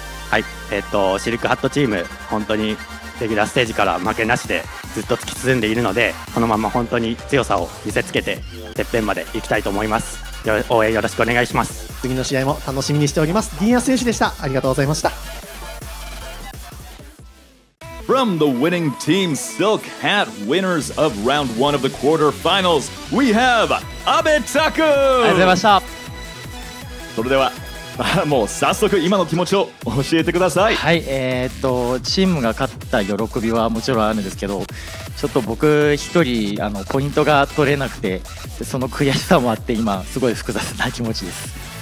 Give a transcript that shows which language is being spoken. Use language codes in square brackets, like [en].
[ja] はい、シルクハットチーム本当にレギュラーステージから負けなしでずっと突き進んでいるので、このまま本当に強さを見せつけててっぺんまで行きたいと思います。応援よろしくお願いします。次の試合も楽しみにしております。ディニア選手でした。ありがとうございました。 [en] From the winning team Silk Hat winners of round 1 of the quarterfinals we have 阿部拓。 [ja] ありがとうございました。それではもう早速今の気持ちを教えてください。はい、チームが勝った喜びはもちろんあるんですけど、ちょっと僕一人あのポイントが取れなくて、その悔しさもあって今すごい複雑な気持ちです。